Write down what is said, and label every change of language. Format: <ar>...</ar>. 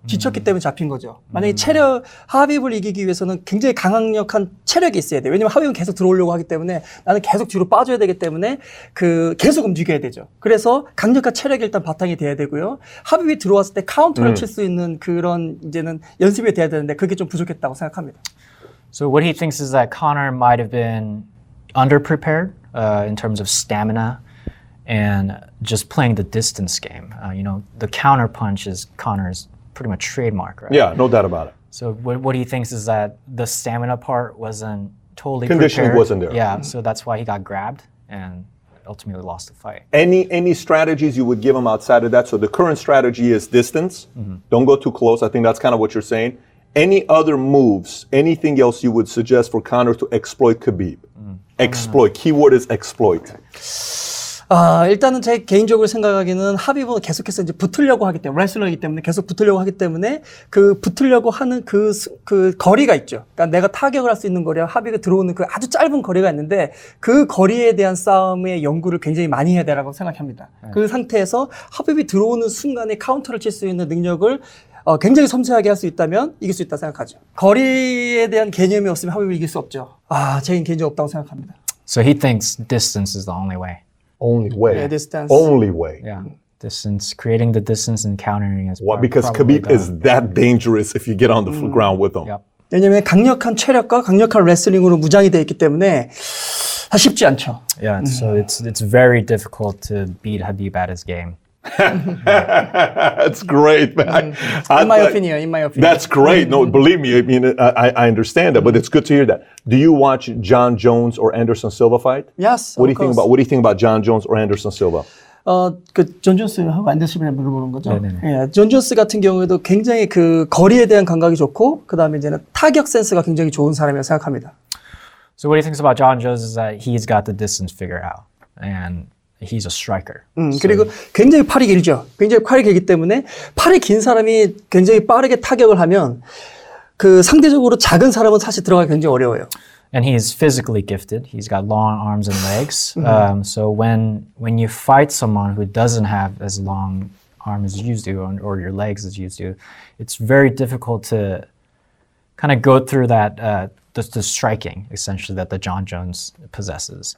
<ko>지쳤기 때문에 잡힌 거죠. 만약에 체력, 하비브를 이기기 위해서는 굉장히 강력한 체력이 있어야 돼요. 왜냐면 하비브는 계속 들어오려고 하기 때문에 나는 계속 뒤로 빠져야 되기 때문에 그 계속 움직여야 되죠. 그래서 강력한 체력이 일단 바탕이 돼야 되고요. 하비브가 들어왔을 때 카운터를 칠 수 있는 그런 이제는 연습이 돼야 되는데 그게 좀 부족했다고 생각합니다.</ko> <en>So what he thinks is that Conor might have been underprepared in terms of stamina and just playing the distance game. You know, the counter punch is Conor's pretty much trademark, right? Yeah, no doubt about it. So what he thinks is that the stamina part wasn't totally conditioning prepared. Wasn't there. Yeah, so that's why he got grabbed and ultimately lost the fight. Any strategies you would give him outside of that? So the current strategy is distance. Don't go too close. I think that's kind of what you're saying. Any other moves, anything else you would suggest for Conor to exploit Khabib? Exploit. Keyword is exploit.</en> <ko>일단은 제 개인적으로 생각하기에는 하비브는 계속해서 이제 붙으려고 하기 때문에, 레슬러이기 때문에 계속 붙으려고 하기 때문에 그 붙으려고 하는 그 거리가 있죠. 그러니까 내가 타격을 할 수 있는 거리와 하비브가 들어오는 그 아주 짧은 거리가 있는데 그 거리에 대한 싸움의 연구를 굉장히 많이 해야 되라고 생각합니다. 그 상태에서 하비브가 들어오는 순간에 카운터를 칠 수 있는 능력을 굉장히 섬세하게 할 수 있다면 이길 수 있다 생각하죠. 거리에 대한 개념이 없으면 하비브 이길 수 없죠. 제인 개인적으로 없다고 생각합니다.</ko> <en>So he thinks distance is the only way. Only way. Yeah, distance. Only way. Yeah, distance. Creating the distance and countering is. What? Because Khabib is that dangerous if you get on the ground with him. Yep.</en> <ko>왜냐면 강력한 체력과 강력한 레슬링으로 무장이 되어 있기 때문에 쉽지 않죠.</ko> <en>Yeah. So it's very difficult to beat Khabib at his game. That's great, man. In my opinion. That's great. No, believe me, I mean, I understand that, but it's good to hear that. Do you watch John Jones or Anderson Silva fight? Yes. What do you think about John Jones or Anderson Silva?</en> <ko>존 존스하고 앤더슨이 물어보는 거죠. 예, 존 존스 같은 경우에도 굉장히 그 거리에 대한 감각이 좋고 그 다음에 이제는 타격 센스가 굉장히 좋은 사람이라고 생각합니다.</ko> <en>So what he thinks about John Jones is that he's got the distance figured out and he's a striker.</en> <ko>그리고 굉장히 팔이 길죠. 굉장히 팔이 길기 때문에 팔이 긴 사람이 굉장히 빠르게 타격을 하면 그 상대적으로 작은 사람은 사실 들어가기 굉장히 어려워요.</ko> <en>And he is physically gifted. He's got long arms and legs. So when you fight someone who doesn't have as long arms as you do or your legs as you do, it's very difficult to kind of go through that, the striking, essentially, that the John Jones possesses.</en>